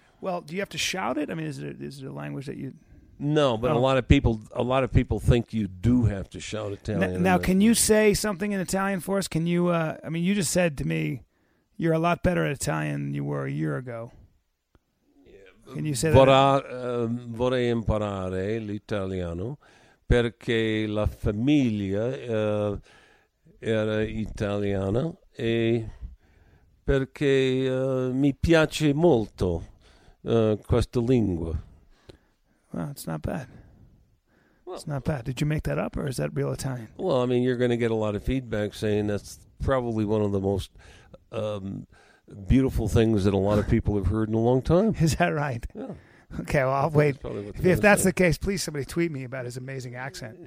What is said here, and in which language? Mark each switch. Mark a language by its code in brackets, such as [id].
[en] Well, do you have to shout it? I mean, is it a language that you... No, but a lot of people think you do have to shout Italian. Now can you say something in Italian for us? Can you, I mean, you just said to me you're a lot better at Italian than you were a year ago. Can you say that? [it] Vorrei imparare l'italiano perché la famiglia era italiana e perché mi piace molto questa lingua. [en] Well, it's not bad. It's not bad. Did you make that up or is that real Italian? Well, I mean, you're going to get a lot of feedback saying that's probably one of the most... beautiful things that a lot of people have heard in a long time. Is that right? Yeah. Okay, well, I'll wait. If that's the case, please somebody tweet me about his amazing accent.